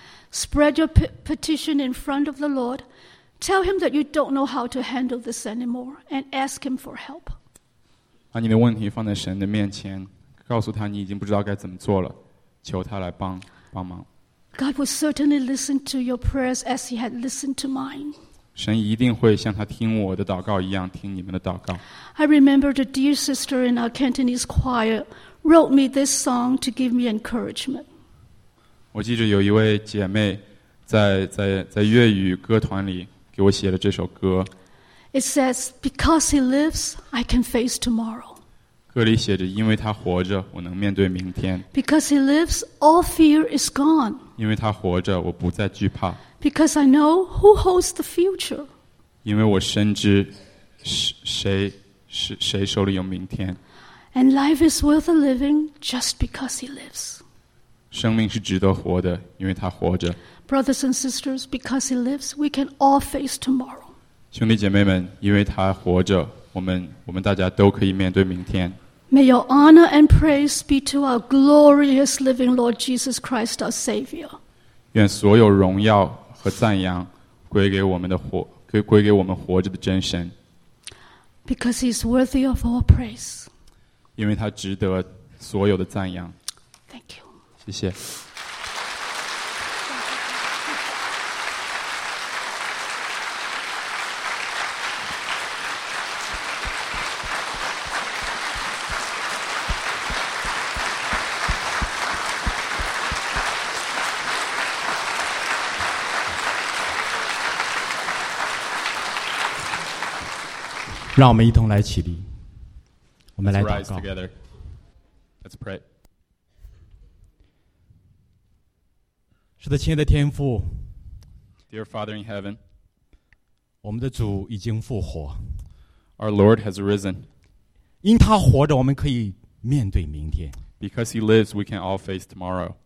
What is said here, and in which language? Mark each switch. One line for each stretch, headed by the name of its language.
English: Spread your petition in front of the Lord. Tell him that you don't know how to handle this anymore and ask him for help.
Chinese: 把你的问题放在神的面前，告诉他你已经不知道该怎么做了，求他来帮忙。
English: God will certainly listen to your prayers as he had listened to mine.
Chinese: 神一定会像他听我的祷告一样听你们的祷告。
English: I remember the dear sister in our Cantonese choir wrote me this song to give me encouragement.
Chinese: 我记着有一位姐妹在粤语歌团里给我写了这首歌。
English: It says, Because he lives, I can face tomorrow.
Chinese: 歌里写着，因为他活着，我能面对明天。
English: Because he lives, all fear is gone.
Chinese: 因为他活着，我不再惧怕。
English: Because I know who holds the future.
Chinese: 因为我深知谁手里有明天。
English: And life is worth living just because he lives.
Chinese: 生命是值得活的，因为他活着。
English: Brothers and sisters, because he lives, we can all face tomorrow.
Chinese: 兄弟姐妹们，因为他活着，我们大家都可以面对明天。
English: May your honor and praise be to our glorious living Lord Jesus Christ, our Savior.
Chinese: 愿所有荣耀和赞扬归给我们活着的真神。
English: Because he is worthy of all praise.
Chinese: 因为他值得所有的赞扬。
English: Thank you.
Chinese: 谢谢。让我们一同来起立，我们来祷告。
English: Let's rise together. Let's pray.
Chinese: 是的，亲爱的天父。
English: Dear Father in heaven,
Chinese: 我们的主已经复活。
English: Our Lord has risen.
Chinese: 因他活着，我们可以面对明天。
English: Because he lives, we can all face tomorrow.